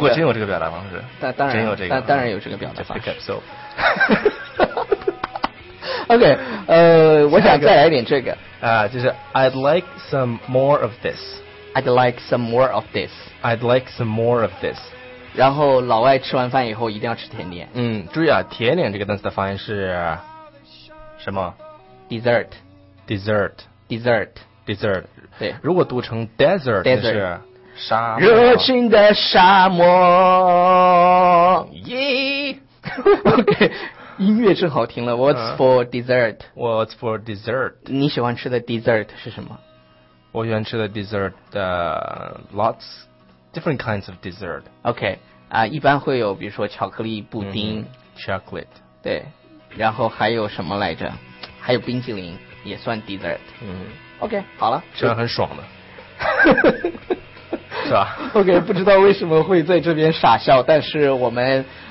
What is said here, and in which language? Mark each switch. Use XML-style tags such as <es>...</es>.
<zh>不过真有这个表达方式。当然有这个。当然有这个表达方式。</zh> <en>Pick up soap。</en> <zh>OK, 我想再来一点这个。</zh> <en>就是 I'd like some more of this. I'd like some more of this. I'd like some more of this.</en> <zh>然后老外吃完饭以后一定要吃甜点。嗯，注意啊，甜点这个单词的发音是什么？</zh> <en>Dessert. Dessert. Dessert. Dessert.</en> <zh>对，如果读成 desert， 那是沙漠。热情的沙漠。耶。 OK。 音乐正好听了。</zh> <en>What's for dessert? What's for dessert?</en> <zh>你喜欢吃的 dessert 是什么？我喜欢吃的</zh> <en>dessert， lots different kinds of dessert.</en> <zh>OK， 一般会有比如说巧克力布丁，</zh> <en>chocolate。</en> <zh>对，然后还有什么来着？还有冰淇淋也算 dessert。 OK， 好了，吃完很爽的。是吧？OK， 不知道为什么会在这边傻笑，但是我们。</zh>